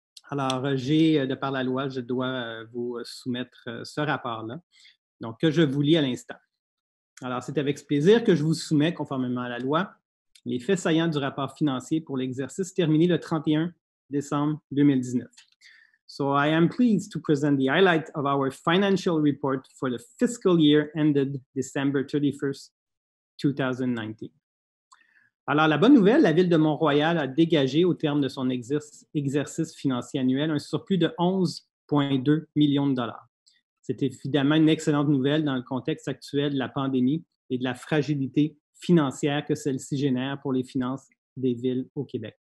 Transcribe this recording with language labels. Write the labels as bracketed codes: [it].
[fr] Alors, de par la loi, je dois vous soumettre ce rapport-là, donc que je vous lis à l'instant. Alors, c'est avec plaisir que je vous soumets, conformément à la loi, les faits saillants du rapport financier pour l'exercice terminé le 31 décembre 2019. [en] So, I am pleased to present the highlight of our financial report for the fiscal year ended December 31st, 2019. [fr] Alors, la bonne nouvelle, la ville de Mont-Royal a dégagé au terme de son exercice financier annuel un surplus de 11,2 millions de dollars. C'est évidemment une excellente nouvelle dans le contexte actuel de la pandémie et de la fragilité financière que celle-ci génère pour les finances des villes au Québec.